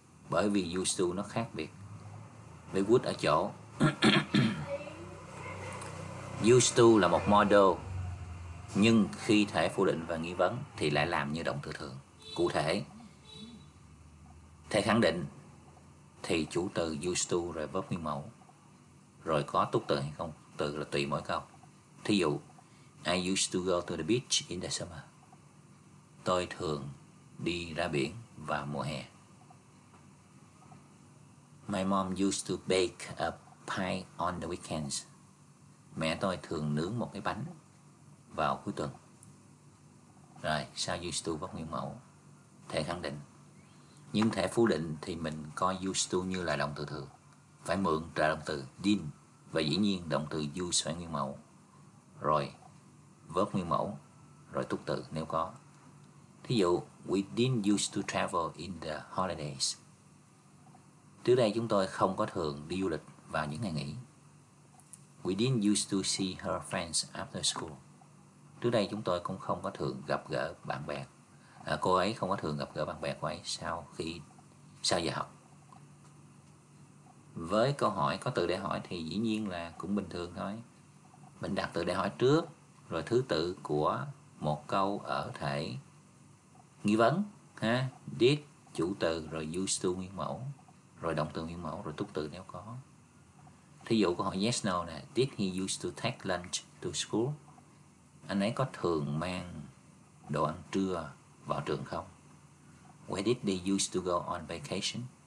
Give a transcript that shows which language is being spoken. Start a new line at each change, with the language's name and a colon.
Vietnamese: Bởi vì used to nó khác biệt với would ở chỗ used to là một model, nhưng khi thể phủ định và nghi vấn thì lại làm như động từ thường. Cụ thể, thể khẳng định thì chủ từ used to rồi verb nguyên mẫu, rồi có túc từ hay không, từ là tùy mỗi câu. Thí dụ,
English: I used to go to the beach in the summer.
Vietnamese: Tôi thường đi ra biển vào mùa hè.
English: My mom used to bake a pie on the weekends.
Vietnamese: Mẹ tôi thường nướng một cái bánh vào cuối tuần. Rồi, sao used to vấp nguyên mẫu? Thể khẳng định. Nhưng thể phủ định thì mình coi used to như là động từ thường. Phải mượn trợ động từ did. Và dĩ nhiên động từ use phải nguyên mẫu. Rồi, vấp nguyên mẫu. Rồi túc từ nếu có. Thí dụ,
English: we didn't used to travel in the holidays.
Vietnamese: Trước đây chúng tôi không có thường đi du lịch vào những ngày nghỉ.
English: We didn't used to see her friends after school.
Vietnamese: Trước đây chúng tôi cũng không có thường gặp gỡ bạn bè. À, cô ấy không có thường gặp gỡ bạn bè của ấy sau giờ học. Với câu hỏi có từ để hỏi thì dĩ nhiên là cũng bình thường thôi. Mình đặt từ để hỏi trước, rồi thứ tự của một câu ở thể nghi vấn. Ha? Did, chủ từ, rồi used to nguyên mẫu. Rồi động từ nguyên mẫu, rồi túc từ nếu có. Thí dụ câu hỏi
English: yes, no
Vietnamese: nè.
English: Did he used to take lunch to school?
Vietnamese: Anh ấy có thường mang đồ ăn trưa vào trường không?
English: Where did they used to go on vacation?